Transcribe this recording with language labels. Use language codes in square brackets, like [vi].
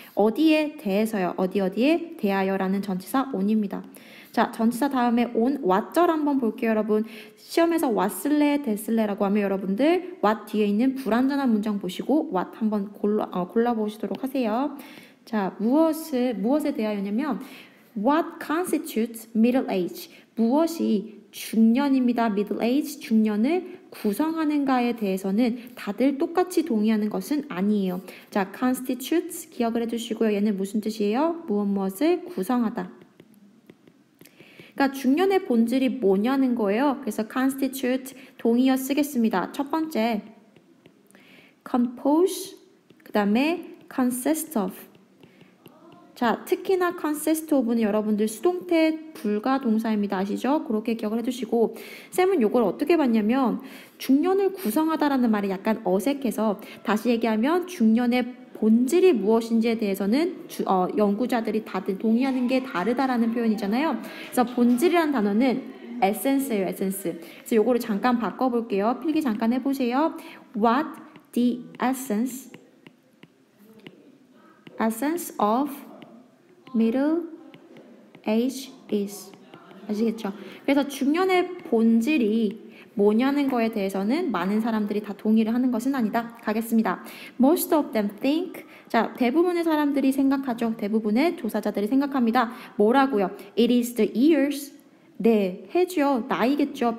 [ko] 어디에 대해서요? 어디 어디에 대하여라는 전치사 on입니다. 자, 전치사 다음에 on, what절 한번 볼게요, 여러분. 시험에서 왔을래, 됐을래라고 하면 여러분들, what 뒤에 있는 불완전한 문장 보시고, what 한번 골라보시도록 하세요. 자, 무엇에 대하여냐면, [en] What constitutes middle age? [ko] 무엇이 중년입니다. middle age, 중년을 구성하는가에 대해서는 다들 똑같이 동의하는 것은 아니에요. 자, constitutes 기억을 해주시고요. 얘는 무슨 뜻이에요? 무엇무엇을 구성하다. 그러니까 중년의 본질이 뭐냐는 거예요. 그래서 constitute 동의어 쓰겠습니다. 첫 번째, compose, 그 다음에 consist of. 자, 특히나 consist of는 여러분들 수동태 불가 동사입니다. 아시죠? 그렇게 기억을 해주시고, 쌤은 이걸 어떻게 봤냐면, 중년을 구성하다라는 말이 약간 어색해서, 다시 얘기하면 중년의 본질이 무엇인지에 대해서는 연구자들이 다들 동의하는 게 다르다라는 표현이잖아요. 그래서 본질이라는 단어는 essence예요, essence. 그래서 이거를 잠깐 바꿔볼게요. 필기 잠깐 해보세요. [en] What the essence of middle age is. [ko] 아시겠죠? 그래서 중년의 본질이 뭐냐는 거에 대해서는 많은 사람들이 다 동의를 하는 것은 아니다. 가겠습니다. [en] Most of them think. [ko] 자, 대부분의 사람들이 생각하죠. 대부분의 조사자들이 생각합니다. 뭐라고요? [en] It is the years. [ko] 네, 해줘. 나이겠죠.